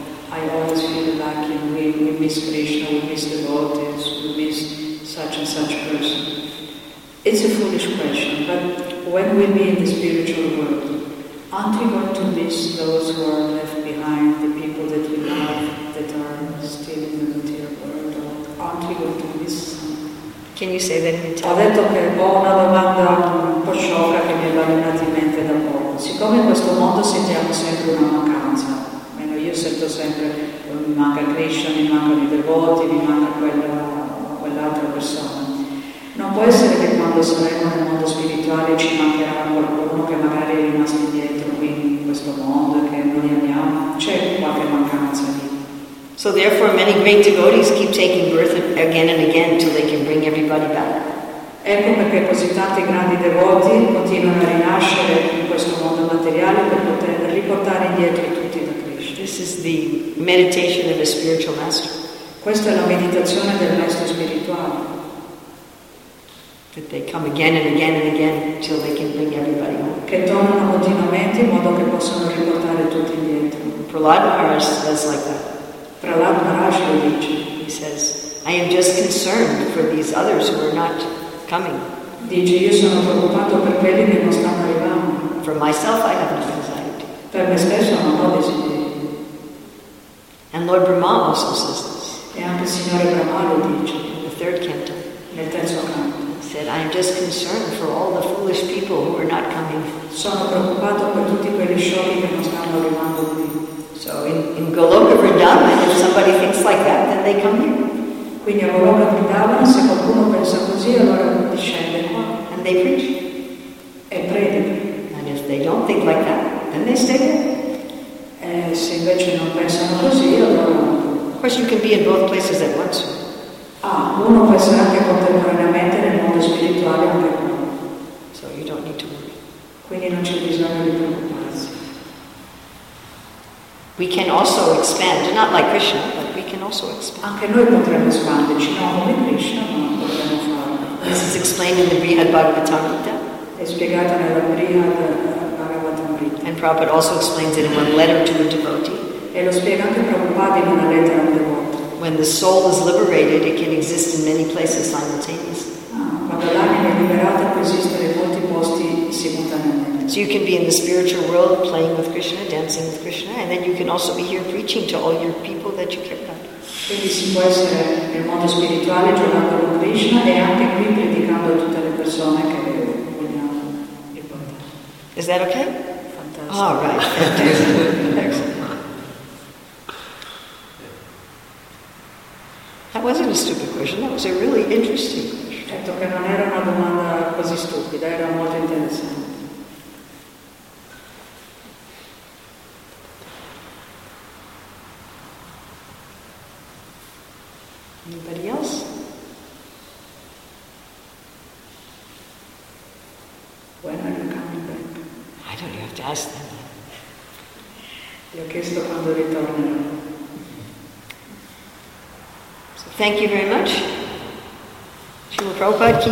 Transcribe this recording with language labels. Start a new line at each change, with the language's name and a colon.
English: I always feel a lacking. We miss Krishna, we miss devotees, we miss such and such person. It's a foolish question, but when we be in the spiritual world, aren't we going to miss those who are left behind, the people that we love that are still in the material world? Aren't we going to miss them? Can you say that in Italian?
Italian: Ho detto che è una domanda un po' sciocca che mi è venuta in mente da poco. Siccome in questo mondo sentiamo sempre una mancanza, almeno io sento sempre, mi manca Krishna, mi manca i devoti, mi manca quell'altra persona. Non può essere che quando saremo nel mondo spirituale ci mancherà qualcuno che magari è rimasto indietro qui in questo mondo e che noi amiamo. C'è qualche mancanza lì.
English: So therefore many great devotees keep taking birth again and again till they can bring everybody back.
Italian: Ecco perché così tanti grandi devoti continuano a rinascere in questo mondo materiale per poter riportare indietro tutti da Krishna.
English: This is the meditation of a spiritual master.
Italian: Questa è la meditazione del maestro spirituale.
English: That they come again and again and again till they can bring everybody home.
Italian: Che tornano continuamente in modo che possano riportare tutti indietro.
English: Prahlad Maharaj says like that.
Italian: Prahlad Maharaj lo dice.
English: He says, I am just concerned for these others who are not coming.
Italian: Dice, io sono preoccupato per quelli che non stanno arrivando.
English: For myself I have no anxiety.
Italian: Per me stesso non ho desiderio.
English: And Lord Brahma also says this.
Italian: E anche il Signore Brahma lo dice.
English: In the third canto.
Italian: Nel terzo canto.
English: Said, I am just concerned for all the foolish people who are not coming.
Italian: Sono preoccupato per tutti quelli sciocchi che non stanno arrivando qui.
English: So in Goloka Vrindavan, if somebody thinks like that, then they come here.
Italian: Quindi a Goloka Vrindavan, se qualcuno pensa così, allora discende qua.
English: And they preach.
Italian: E predica.
English: And if they don't think like that, then they stay there.
Italian: E se invece non pensano così, allora.
English: Of course, you can be in both places at once.
Italian: Ah, uno può essere anche contemporaneamente nel mondo spirituale anche uno.
English: So you don't need to worry.
Italian: Quindi non c'è bisogno di preoccuparsi.
English: We can also expand, not like Krishna, but we can also expand.
Italian: Anche noi potremmo espanderci, no, come Krishna, ma potremmo farlo.
English: This is explained in the Brihad Bhagavatamrita.
Italian: È spiegata nella Brihad Bhagavatamrita.
English: And Prabhupada also explains it in one letter to a devotee.
Italian: E lo spiega anche Prabhupada in una lettera a un devoto.
English: When the soul is liberated, it can exist in many places simultaneously.
Italian: Quando l'anima è liberata, può esistere in molti posti simultaneamente.
English: So you can be in the spiritual world playing with Krishna, dancing with Krishna, and then you can also be here preaching to all your people that you care about.
Italian: Quindi si può essere nel mondo spirituale giocando con Krishna e anche qui predicando a tutte le persone che vogliamo.
English: Is that okay? Fantastic. All right. Excellent. That wasn't a stupid question. That was a really interesting question.
Italian: Detto che non era una domanda così stupida, era molto interessante.
English: Anybody else? When are you coming back? I don't know, you have to ask them.
Italian: Gli ho chiesto quando ritornerò.
English: So thank you very much. Srila Prabhupada ki.